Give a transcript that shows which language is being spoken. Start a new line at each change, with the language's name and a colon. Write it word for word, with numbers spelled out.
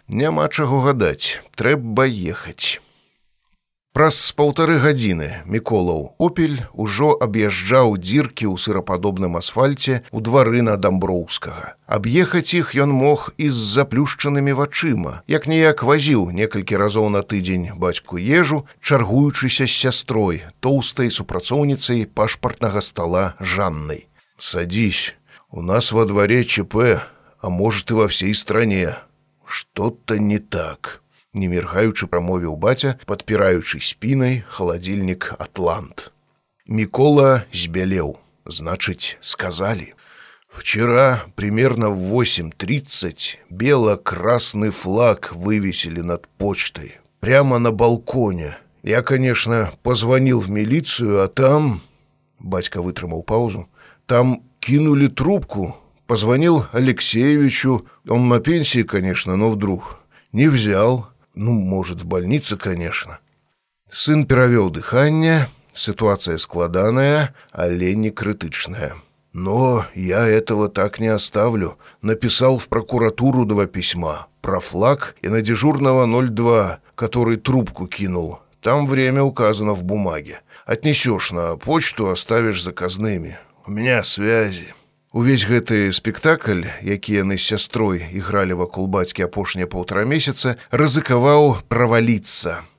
Belarusian: Няма чаго гадаць, трэба ехаць. Праз паўтары гадзіны Міколаў «Опель» ужо аб'язджаў дзіркі ў сырападобным асфальце ў двары на Дамброўскага. Аб'ехаць іх ён мог і з заплюшчанымі вачыма, як-ніяк вазіў некалькі разоў на тыдзень бацьку ежу, чаргуючыся з сястрой, тоўстай супрацоўніцай пашпартнага стала Жаннай.
Russian: «Садись, у нас во дворе ЧП, а может и во всей стране. Что-то не так».
Belarusian: Не міргаючы прамовіў баця, падпіраючы спінай халадзільнік «Атлант». Мікола збялеў, значыць, сказалі.
Russian: «Вчера примерно в восемь тридцать бело-красный флаг вывесили над почтой, прямо на балконе. Я, конечно, позвонил в милицию, а там...» Батька вытрымал паузу. «Там кинули трубку, позвонил Алексеевичу, он на пенсии, конечно, но вдруг не взял.
Belarusian: Ну, может, в больнице, конечно». Сын перавёў дыханне, ситуация складаная, але не крытычная.
Russian: «Но я этого так не оставлю. Написал в прокуратуру два письма. Про флаг и на дежурного ноль два, который трубку кинул. Там время указано в бумаге. Отнесешь на почту, оставишь заказными. У меня связи».
Belarusian: Увесь гэты спектакль, які яны з сястрой ігралі вакол бацькі апошнія паўтара месяца, рызыкаваў праваліцца.